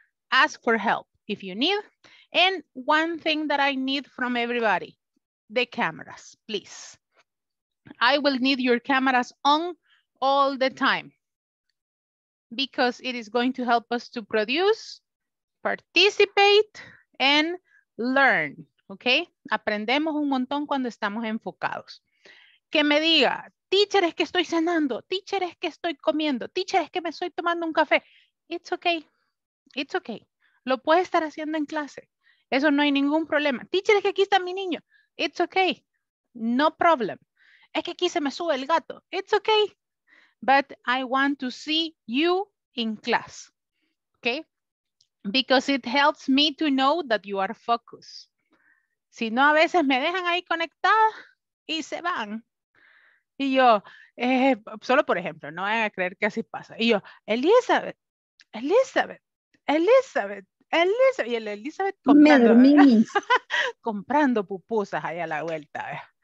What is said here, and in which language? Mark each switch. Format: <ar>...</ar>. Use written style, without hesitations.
<en>Ask for help if you need. And one thing that I need from everybody, the cameras, please. I will need your cameras on all the time because it is going to help us to produce, participate, and learn, okay?</en> <es>Aprendemos un montón cuando estamos enfocados. Que me diga, teacher, es que estoy cenando, teacher, es que estoy comiendo, teacher, es que me estoy tomando un café.</es> <en>It's okay, it's okay.</en> <es>Lo puede estar haciendo en clase. Eso no hay ningún problema. Teacher, es que aquí está mi niño.</es> <en>It's okay. No problem.</en> <es>Es que aquí se me sube el gato.</es> <en>It's okay. But I want to see you in class. Okay? Because it helps me to know that you are focused.</en> <es>Si no, a veces me dejan ahí conectada y se van. Y yo, solo por ejemplo, no vayan a creer que así pasa. Y yo, Elizabeth, Elizabeth, Elizabeth. Elizabeth, y el Elizabeth comprando, me dormí. Comprando pupusas ahí a la vuelta.</es>